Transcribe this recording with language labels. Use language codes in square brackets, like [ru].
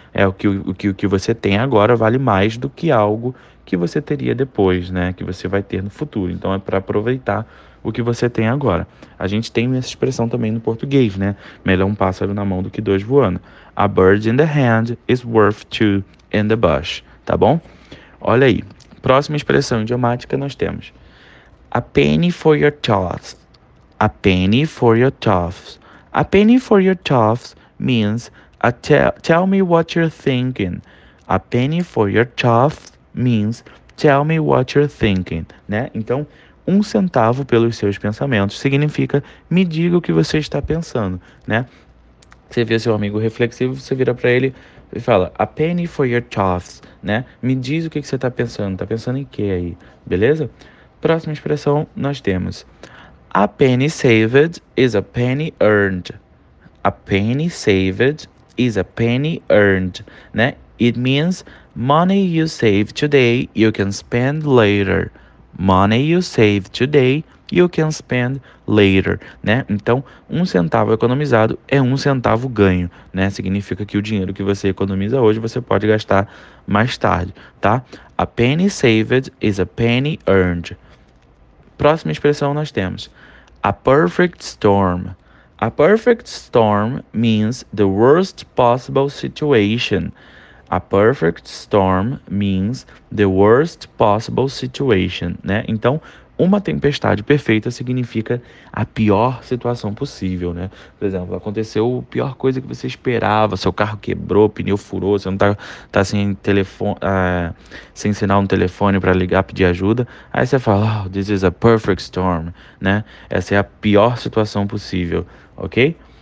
[pt] É o que você tem agora vale mais do que algo que você teria depois, né? Que você vai ter no futuro. Então é para aproveitar o que você tem agora. A gente tem essa expressão também no português, né? Melhor um pássaro na mão do que dois voando. [en] A bird in the hand is worth two in the bush. [pt] Tá bom? Olha aí. Próxima expressão idiomática nós temos. [en] A penny for your toss. A penny for your toss. A penny for your toss means tell me what you're thinking. A penny for your toss means tell me what you're thinking. [pt] Né? Então, um centavo pelos seus pensamentos significa me diga o que você está pensando. Né? Você vê seu amigo reflexivo, você vira para ele e fala: [en] A penny for your toss. [pt] Né? Me diz o que você está pensando. Está pensando em quê aí? Beleza? Próxima expressão nós temos. [en] A penny saved is a penny earned. A penny saved is a penny earned. Né? It means money you save today, you can spend later. Money you save today, you can spend later. [pt] Né? Então, um centavo economizado é um centavo ganho. Né? Significa que o dinheiro que você economiza hoje, você pode gastar mais tarde. [en] Tá? A penny saved is a penny earned. [pt] Próxima expressão nós temos. [en] A perfect storm. A perfect storm means the worst possible situation. A perfect storm means the worst possible situation, né? [pt] Então, uma tempestade perfeita significa a pior situação possível, né? Por exemplo, aconteceu a pior coisa que você esperava, seu carro quebrou, pneu furou, você não tá sem telefone, sem sinal no telefone para ligar, pedir ajuda. Aí você fala, oh, [en] this is a perfect storm, [pt] né? Essa é a pior situação possível, ok?